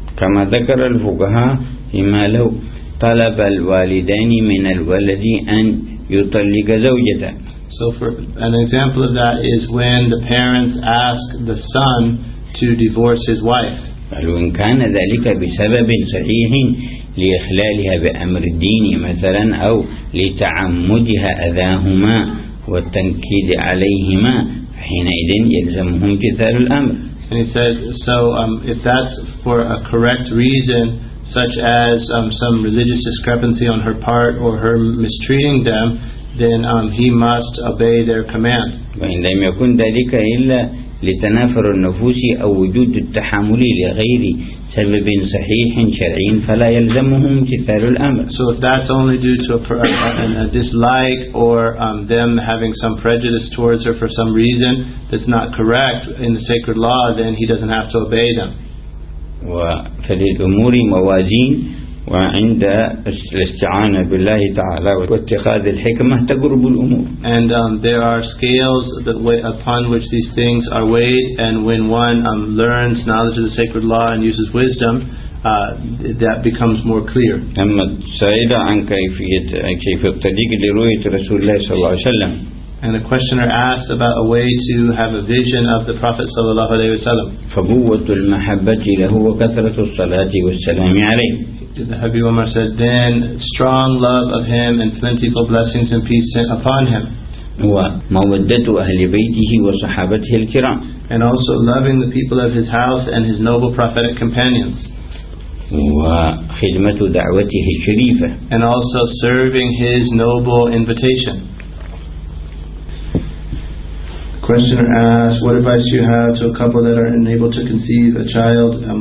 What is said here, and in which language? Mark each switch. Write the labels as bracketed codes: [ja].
[ar] كما ذكر الفقهاء فيما لو طلب الوالدان من الولد أن يطلق زوجته. [en] So for an example of that is when the parents ask the son to divorce his wife. [ar] قالوا إن كان ذلك بسبب صحيح لإخلالها بأمر الدين مثلا أو لتعمدها أذاهما والتنكيد عليهما حينئذ يلزمهم قتال الأمر. [en] And he said, so if that's for a correct reason, such as some religious discrepancy on her part or her mistreating them, then he must obey their command. [ar] وإن لم يكن ذلك إلا لتنافر النفوس أو وجود التحامل لغير سبب صحيح شرعي فلا يلزمهم امتثال الأمر. [en] So if that's only due to a dislike or them having some prejudice towards her for some reason that's not correct in the sacred law, then he doesn't have to obey them. [ar] وفللأمور موازين وعند الاستعانة بالله تعالى واتخاذ الحكمة تقرب الأمور. [en] And there are scales that upon which these things are weighed, and when one learns knowledge of the sacred law and uses wisdom, that becomes more clear. [ar] أما سائلة عن كيف الطريق لرؤية رسول الله صلى الله عليه وسلم. [en] And a questioner asked about a way to have a vision of the Prophet [ar] sallallahu alaihi wasallam. فبوت المحبة له وكثرة الصلاة والسلام عليه. [en] The Habib Umar said, then strong love of him and plentiful blessings and peace sent upon him. [ar] ومودته أهل بيته وصحابته الكرام. [en] And also loving the people of his house and his noble prophetic companions. [ar] وخدمة دعوته الشريفة. [en] And also serving his noble invitation. The questioner asked, what advice do you have to a couple that are unable to conceive a child?